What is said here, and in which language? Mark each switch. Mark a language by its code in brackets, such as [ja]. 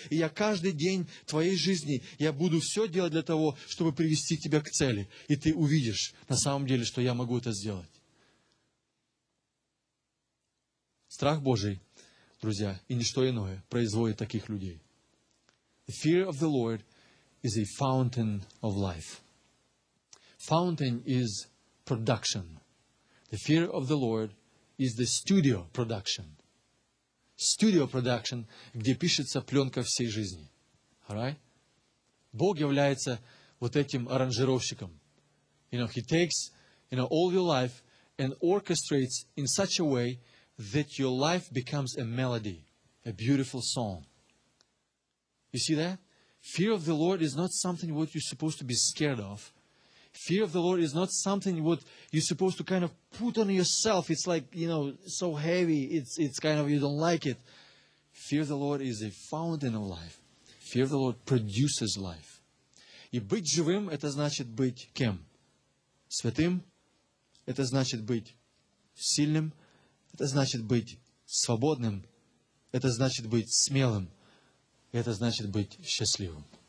[ru] И я каждый день твоей жизни, я буду все делать для того, чтобы привести тебя к цели. И ты увидишь на самом деле, что я могу это сделать. Страх Божий, друзья, и ничто иное производит таких людей. [en] The fear of the Lord is a fountain of life. Fountain is production. The fear of the Lord is the studio production. Studio production, [ru] где пишется пленка всей жизни. [en] All right? [ru] Бог является вот этим аранжировщиком. [en] You know, He takes, you know, all your life and orchestrates in such a way that your life becomes a melody, a beautiful song. You see that? Fear of the Lord is not something what you're supposed to be scared of. Fear of the Lord is not something what you're supposed to kind of put on yourself. It's like, you know, so heavy. It's kind of, you don't like it. Fear of the Lord is a fountain of life. Fear of the Lord produces life. [ru] И быть живым, это значит быть кем? Святым. Это значит быть сильным. Это значит быть свободным. Это значит быть смелым. Это значит быть счастливым.